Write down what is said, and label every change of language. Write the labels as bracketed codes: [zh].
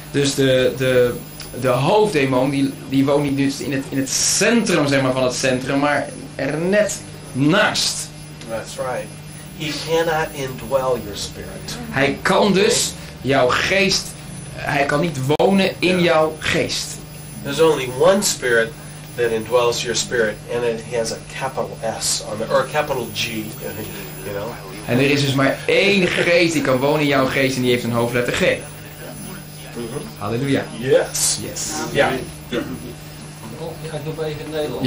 [nl] Dus de hoofddemon die woont niet dus in het centrum, zeg maar, van het centrum, maar er net naast. [en] That's right. He cannot indwell your spirit. [nl] Hij kan dus jouw geest, hij kan niet wonen in jouw geest. [en] There's only one spirit that indwells your spirit, and it has a capital S on the, or a capital G, you know. [nl] En er is dus maar één geest die kan wonen in jouw geest, en die heeft een hoofdletter G. Mm-hmm. Halleluja. [en] Yes. Yes. [nl] Ja. Ga ik nog even in het Nederlands.